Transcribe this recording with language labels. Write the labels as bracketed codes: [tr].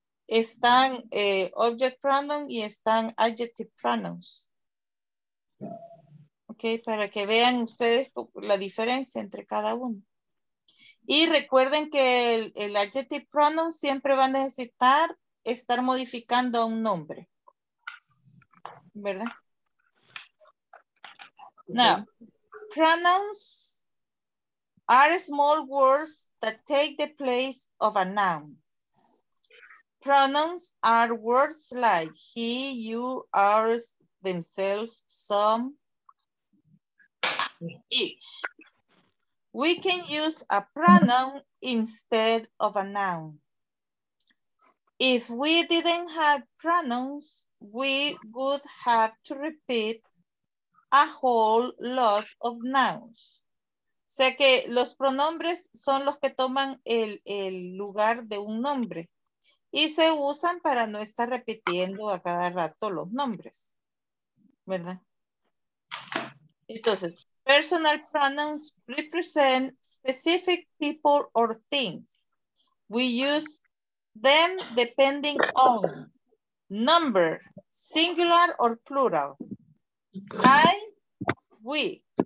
[es] Están object pronoun y están adjective pronouns. Ok, para que vean ustedes la diferencia entre cada uno. Y recuerden que el adjective pronoun siempre va a necesitar estar modificando un nombre. ¿Verdad? [en] Okay. Now, pronouns are small words that take the place of a noun. Pronouns are words like he, you, ours, themselves, some, it. We can use a pronoun instead of a noun. If we didn't have pronouns, we would have to repeat a whole lot of nouns. [es] O sea que los pronombres son los que toman el lugar de un nombre y se usan para no estar repitiendo a cada rato los nombres, ¿verdad? [en] Entonces, personal pronouns represent specific people or things. We use them depending on number, singular or plural. I, we.